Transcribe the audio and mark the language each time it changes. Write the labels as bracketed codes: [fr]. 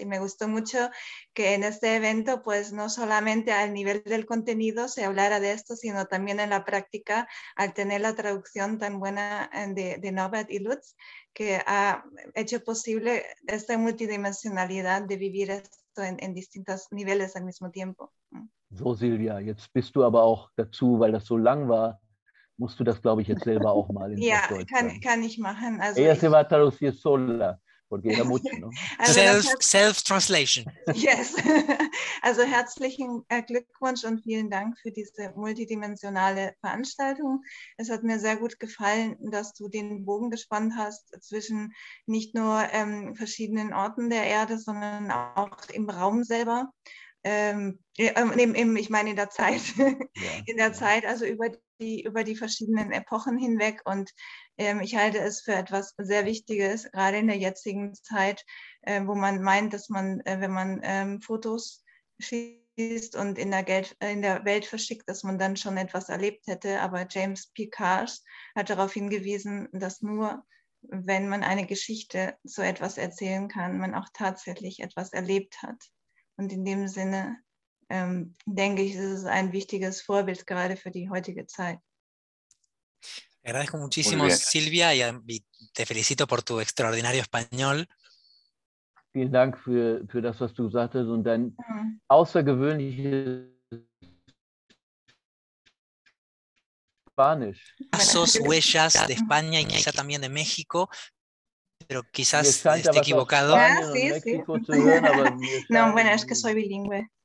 [es] Y me gustó mucho que en este evento, pues no solamente al nivel del contenido se hablara de esto, sino también en la práctica, al tener la traducción tan buena de Novad y Lutz, que ha hecho posible esta multidimensionalidad de vivir esto en distintos niveles al mismo tiempo. [de] So, Silvia, jetzt bist du aber auch dazu, weil das so lang war, musst du das, glaube ich, jetzt selber auch mal in ja, Deutsch sagen. Ja, kann ich machen. [es] Also ella se va a traducir sola, porque era mucho, ¿no? [en] Self-translation. Yes. [de] Also herzlichen Glückwunsch und vielen Dank für diese multidimensionale Veranstaltung. Es hat mir sehr gut gefallen, dass du den Bogen gespannt hast zwischen nicht nur verschiedenen Orten der Erde, sondern auch im Raum selber. Ich meine in der Zeit, Zeit, also über die verschiedenen Epochen hinweg, und ich halte es für etwas sehr Wichtiges, gerade in der jetzigen Zeit, wo man meint, dass man, wenn man Fotos schießt und in der Welt verschickt, dass man dann schon etwas erlebt hätte, aber James P. Cars hat darauf hingewiesen, dass nur wenn man eine Geschichte so etwas erzählen kann, man auch tatsächlich etwas erlebt hat. Und in dem Sinne, denke ich, ist es ein wichtiges Vorbild gerade für die heutige Zeit. [es] Te agradezco muchísimo, Silvia, y te felicito por tu extraordinario español. [de] Vielen Dank für das, was du gesagt hast, und dein außergewöhnliches Spanisch. [es] Pasos, huellas de España y quizá también de México. Pero quizás esté equivocado. Sí. No, bueno, es que soy bilingüe.